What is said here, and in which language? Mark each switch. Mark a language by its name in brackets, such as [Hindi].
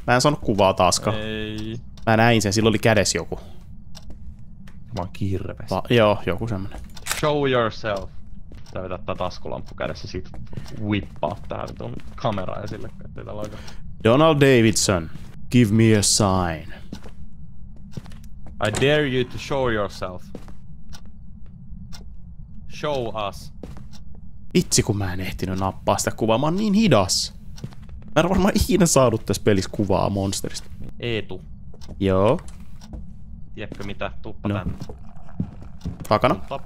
[Finnish] Mä en saanut kuvaa taaskaan. Ei. Mä näin sen, sillä oli kädessä joku. Mä oon kirves. Joo, joku semmonen. [English] Show yourself! [Finnish] Pitää vetää tää taskulamppu kädessä, sit whippaa tähän tuon kameraa esille, ettei täällä oikein. [English] Donald Davidson, give me a sign. I dare you to show yourself. Show us. [Finnish] Vitsi kun mä en ehtinyt nappaa sitä kuvaa, mä oon niin hidas. Mä en varmaan ikinä saanut tässä pelissä kuvaa monsterista. Eetu. Joo. Tiedätkö mitä, tuuppa no. Tänne. Takana.